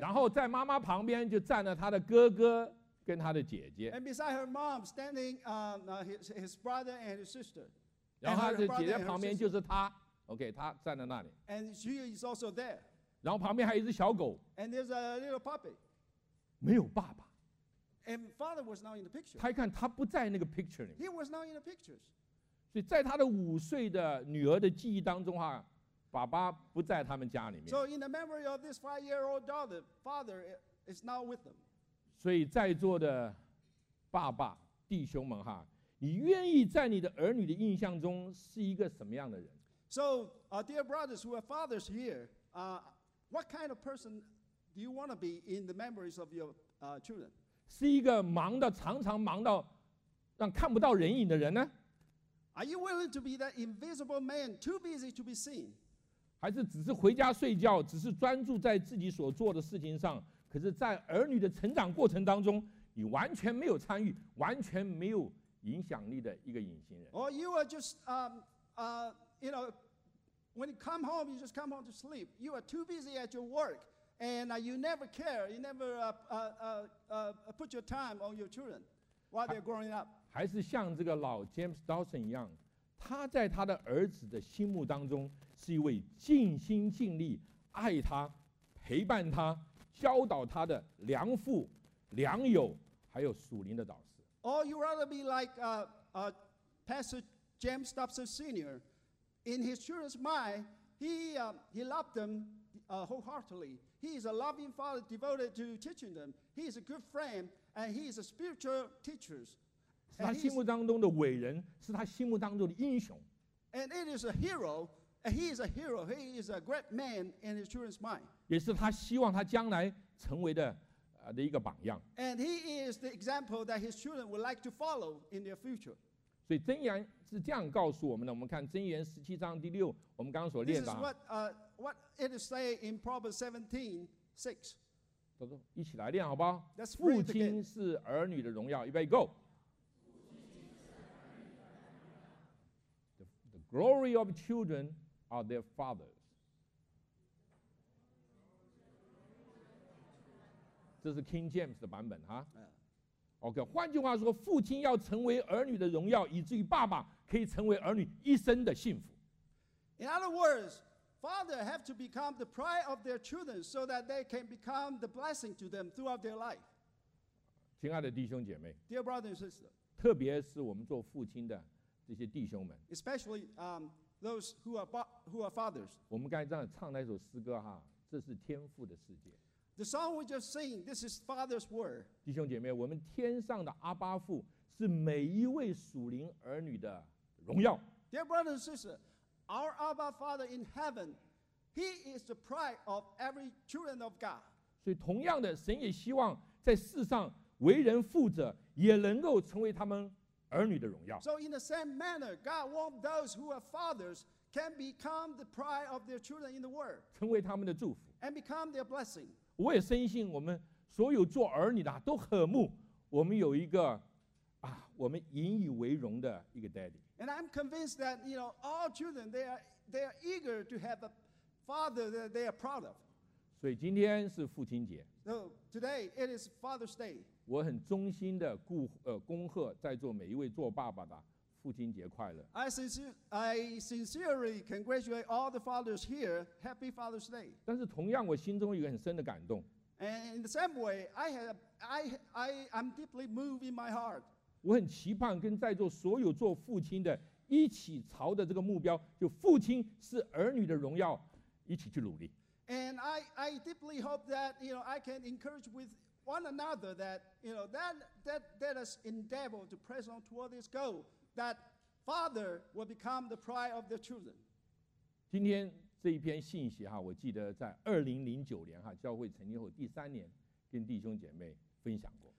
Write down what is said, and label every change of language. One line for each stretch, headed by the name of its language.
Chinese: 然后在妈妈旁边就站了她的哥哥跟她的姐姐。
English: And beside her mom, standing his brother and his sister.
Chinese: 然后她的姐姐旁边就是她。 OK, 她站在那里。
English: And she is also there.
Chinese: 然后旁边还有一只小狗。
English: And there's a little puppy.
Chinese: 没有爸爸。
English: And father was not in the picture.
Chinese: 他一看，他不在那个 picture 里面。
English: He was not in the pictures.
Chinese: 所以在他的五岁的女儿的记忆当中啊，爸爸不在他们家里面。
English: So in the memory of this five-year-old daughter, father is not with them.
Chinese: 所以在座的爸爸、弟兄们哈，你愿意在你的儿女的印象中是一个什么样的人
English: ？So, dear brothers who are fathers here. What kind of person do you want to be in the memories of your children?
Chinese: 是一个忙的常常忙到让看不到人影的人呢？
English: Are you willing to be that invisible man, too busy to be seen?
Chinese: 还是只是回家睡觉，只是专注在自己所做的事情上，可是在儿女的成长过程当中，你完全没有参与，完全没有影响力的一个隐形人。
English: Or you are just, you know, when you come home, you just come home to sleep. You are too busy at your work, and you never care. You never put your time on your children while they're growing up.
Chinese: 还是像这个老 James Dawson 一样，他在他的儿子的心目当中是一位尽心尽力爱他、陪伴他、教导他的良父、良友，还有属灵的导师。
English: Or you rather be like Pastor James Dawson Sr. In his children's mind, he loved them wholeheartedly. He is a loving father devoted to teaching them. He is a good friend, and he is a spiritual teacher.
Chinese: 是他心目当中的伟人，是他心目当中的英雄。
English: And it is a hero. He is a hero. He is a great man in his children's mind.
Chinese: 也是他希望他将来成为的。的一个榜样。
English: And he is the example that his children would like to follow in their future.
Chinese: 所以箴言是这样告诉我们的，我们看箴言十七章第六，我们刚刚所念的。
English: This is what it is say in Proverbs 17:6.
Chinese: 都说一起来念好不好？
English: Let's read again.
Chinese: 父亲是儿女的荣耀，预备 go.
English: The glory of children are their fathers.
Chinese: 这是 King James 的版本哈。 OK， 换句话说，父亲要成为儿女的荣耀，以至于爸爸可以成为儿女一生的幸福。
English: In other words, father have to become the pride of their children so that they can become the blessing to them throughout their life.
Chinese: 亲爱的弟兄姐妹
English: ，Dear brothers and sisters，
Chinese: 特别是我们做父亲的这些弟兄们
English: ，Especially those who are fathers。
Chinese: 我们刚才这样唱那首诗歌哈，这是天父的世界。
English: The song we just sing, this is Father's word.
Chinese: 弟兄姐妹，我们天上的阿爸父是每一位属灵儿女的荣耀。
English: Dear brothers and sisters, our Abba Father in heaven, He is the pride of every children of God.
Chinese: 所以同样的，神也希望在世上为人父者也能够成为他们儿女的荣耀。
English: So in the same manner, God wants those who are fathers can become the pride of their children in the world.
Chinese: 成为他们的祝福。
English: And become their blessing.
Chinese: 我也深信我们所有做儿女的都渴慕我们有一个我们引以为荣的一个 daddy。
English: And I'm convinced that you know, all children they are eager to have a father that they are proud of.
Chinese: 所以今天是父亲节。
English: So today it is Father's Day.
Chinese: 我很衷心的恭贺在座每一位做爸爸的父亲节快乐。
English: I sincerely congratulate all the fathers here. Happy Father's Day.
Chinese: 但是同样我心中有很深的感动。
English: And in the same way, I'm deeply moved in my heart.
Chinese: 我很期盼跟在座所有做父亲的一起朝着这个目标，就父亲是儿女的荣耀，一起去努力。
English: And I deeply hope that you know, I can encourage with one another that you know, that is endeavor to press on toward this goal. That father will become the pride of their children.
Chinese: 今天这一篇信息哈，我记得在2009年哈，教会成立后第三年，跟弟兄姐妹分享过。